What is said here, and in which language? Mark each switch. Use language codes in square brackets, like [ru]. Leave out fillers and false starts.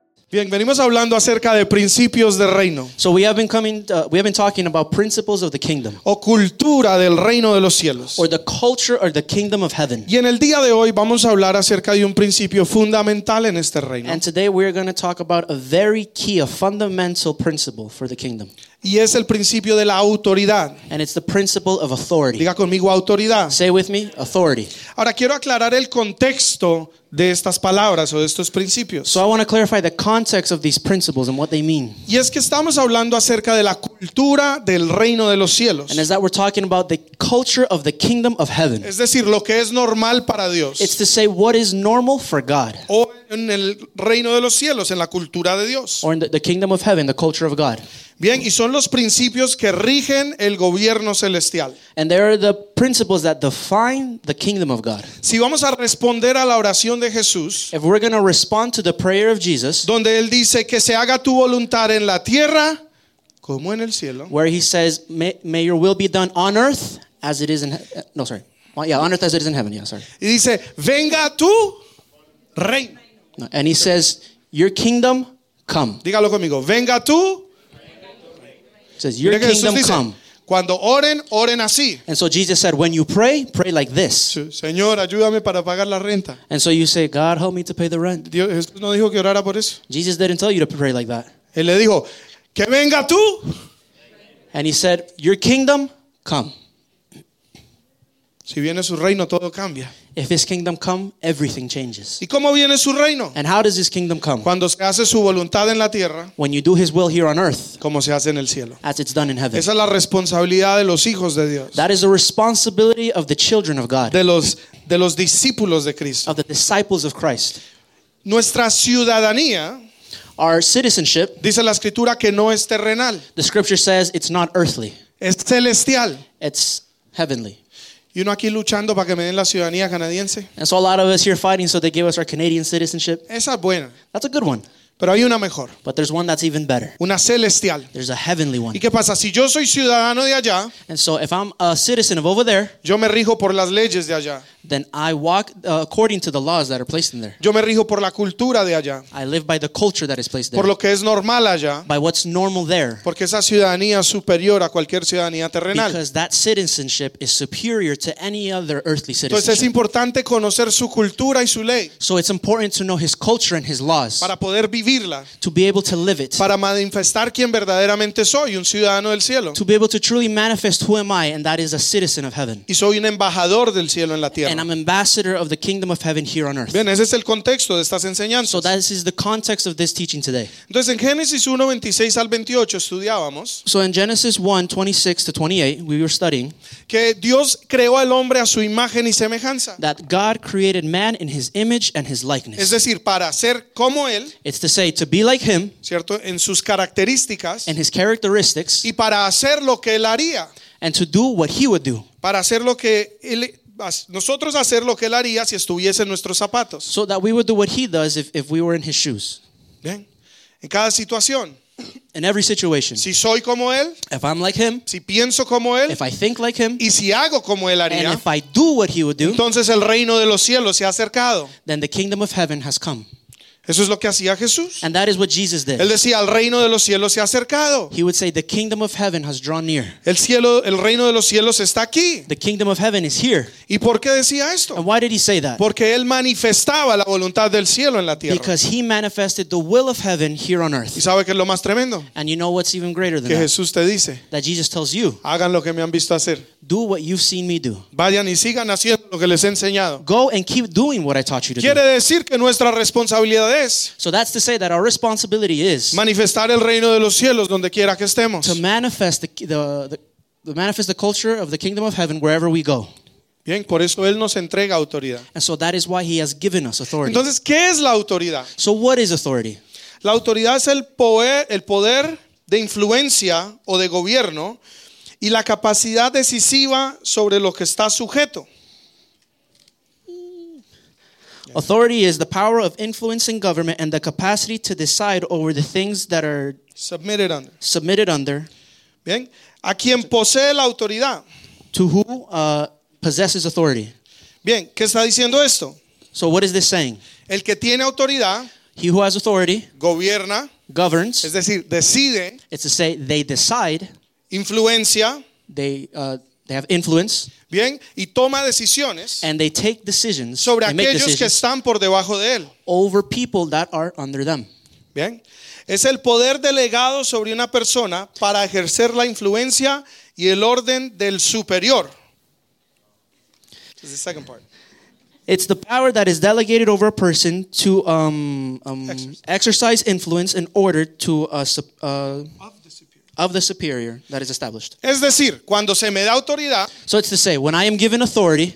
[es] Bien, venimos hablando acerca de principios del reino. [en] So we have been coming, we have been talking about principles of the kingdom. [es] O cultura del reino de los cielos. [en] Or the culture or the kingdom of heaven. [es] Y en el día de hoy vamos a hablar acerca de un principio fundamental en este reino. [en] And today we are going to talk about a very key, a fundamental principle for the kingdom. [es] Y es el principio de la autoridad. [en] And it's the principle of authority. [es] Diga conmigo autoridad. [en] Say with me, authority. [es] Ahora quiero aclarar el contexto de estas palabras o de estos principios. [en] So I want to clarify the context of these principles and what they mean. [es] Y es que estamos hablando acerca de la cultura del reino de los cielos. [en] And it's that we're talking about the culture of the kingdom of heaven. [es] Es decir, lo que es normal para Dios. [en] It's to say what is normal for God. [es] O en el reino de los cielos, en la cultura de Dios. [en] Or in the kingdom of heaven, the culture of God. [es] Bien, y son los principios que rigen el gobierno celestial. [en] And they are the principles that define the kingdom of God. [es] Si vamos a responder a la oración de Jesús, [en] if we're going to respond to the prayer of Jesus, [es] donde él dice que se haga tu voluntad en la tierra como en el cielo, [en] where he says, may your will be done on earth as it is in heaven. On earth as it is in heaven. Yeah, sorry. [es] Y dice, venga tu reino. [en] And he says, your kingdom come. [es] Dígalo conmigo, venga tu reino. [en] Says your kingdom come. [es] Cuando oren, oren así. [en] And so Jesus said, when you pray, pray like this. [es] Señor, ayúdame para pagar la renta. [en] And so you say, God, help me to pay the rent. [es] Dios, Jesús no dijo que orara por eso. [en] Jesus didn't tell you to pray like that. [es] Él le dijo, que venga tú. [en] And he said, your kingdom come. [es] Si viene su reino, todo cambia. [en] If his kingdom come, everything changes. [es] ¿Y cómo viene su reino? [en] And how does his kingdom come? [es] Cuando se hace su voluntad en la tierra. [en] When you do his will here on earth. [es] Como se hace en el cielo. [en] As it's done in heaven. [es] Esa es la responsabilidad de los hijos de Dios. [en] That is the responsibility of the children of God. [es] De los discípulos de Cristo. [en] Of the disciples of Christ. [es] Nuestra ciudadanía. [en] Our citizenship. [es] Dice la escritura que no es terrenal. [en] The scripture says it's not earthly. [es] Es celestial. [en] It's heavenly. [es] Y uno aquí luchando para que me den la ciudadanía canadiense. [en] And so a lot of us here fighting so they give us our Canadian citizenship. [es] Esa es buena. [en] That's a good one. [es] Pero hay una mejor. [en] But there's one that's even better. [es] Una celestial. [en] There's a heavenly one. [es] ¿Y qué pasa? Si yo soy ciudadano de allá. [en] And so if I'm a citizen of over there. [es] Yo me rijo por las leyes de allá. [en] Then I walk according to the laws that are placed in there. [es] Yo me rijo por la cultura de allá. [en] I live by the culture that is placed there. [es] Por lo que es normal allá. [en] By what's normal there. [es] Porque esa ciudadanía es superior a cualquier ciudadanía terrenal. [en] Because that citizenship is superior to any other earthly citizenship. [es] Entonces es importante conocer su cultura y su ley. [en] So it's important to know his culture and his laws. [es] Para poder vivirla. [en] To be able to live it. [es] Para manifestar quién verdaderamente soy, un ciudadano del cielo. [en] To be able to truly manifest who am I, and that is a citizen of heaven. [es] Y soy un embajador del cielo en la tierra. [en] And I'm ambassador of the kingdom of heaven here on earth. [es] Bien, ese es el contexto de estas enseñanzas. [en] So that is the context of this teaching today. [es] Entonces, en Génesis 1, 26 al 28, estudiábamos. [en] So in Genesis 1, 26 to 28, we were studying. [es] Que Dios creó al hombre a su imagen y semejanza. [en] That God created man in his image and his likeness. [es] Es decir, para ser como él. [en] It's to say, to be like him. [es] Cierto, en sus características. [en] And his characteristics. [es] Y para hacer lo que él haría. [en] And to do what he would do. [es] Para hacer lo que él... Nosotros hacer lo que él haría si estuviese en nuestros zapatos. [en] So that we would do what he does if we were in his shoes. [es] Bien. En cada situación. [en] In every situation. [es] Si soy como él. [en] If I'm like him. [es] Si pienso como él. [en] If I think like him. [es] Y si hago como él haría. [en] And if I do what he would do. [es] Entonces el reino de los cielos se ha acercado. [en] Then the kingdom of heaven has come. [es] Eso es lo que hacía Jesús. [en] And that is what Jesus did. [es] Él decía, el reino de los cielos se ha acercado. [en] He would say, the kingdom of heaven has drawn near. [es] El cielo, el reino de los cielos está aquí. [en] The kingdom of heaven is here. [es] ¿Y por qué decía esto? [en] And why did he say that? [es] Porque él manifestaba la voluntad del cielo en la tierra. [en] Because he manifested the will of heaven here on earth. [es] ¿Y sabe qué es lo más tremendo? [en] And you know what's even greater than [es] that? Que Jesús te dice. [en] That Jesus tells you. [es] Hagan lo que me han visto hacer. [en] Do what you've seen me do. [es] Vayan y sigan haciendo lo que les he enseñado. [en] Go and keep doing what I taught you to [es] Quiere [en] do. [es] Quiere decir que nuestra responsabilidad es. [en] So that's to say that our responsibility is. [es] Manifestar el reino de los cielos donde quiera que estemos. [en] To manifest the culture of the kingdom of heaven wherever we go. [es] Bien, por eso él nos entrega autoridad. [en] And so that is why he has given us authority. [es] Entonces, ¿qué es la autoridad? [en] So what is authority? [es] La autoridad es el poder de influencia o de gobierno. Y la capacidad decisiva sobre lo que está sujeto. [en] Authority is the power of influencing government and the capacity to decide over the things that are submitted under. [es] Bien. A quien posee la autoridad. [en] To who possesses authority. [es] Bien. ¿Qué está diciendo esto? [en] So what is this saying? [es] El que tiene autoridad. [en] He who has authority [es] gobierna, [en] governs. [es] Es decir, decide. [en] It's to say they decide. [es] Influencia. [en] They have influence. [es] Bien, y toma decisiones. [en] And they take decisions. [es] Sobre aquellos que están por debajo de él. [en] Over people that are under them. [es] Bien. Es el poder delegado sobre una persona para ejercer la influencia y el orden del superior. [en] This is the second part. It's the power that is delegated over a person to exercise influence in order to of the superior that is established. [es] Es decir, cuando se me da autoridad, [en] so it's to say, when I am given authority,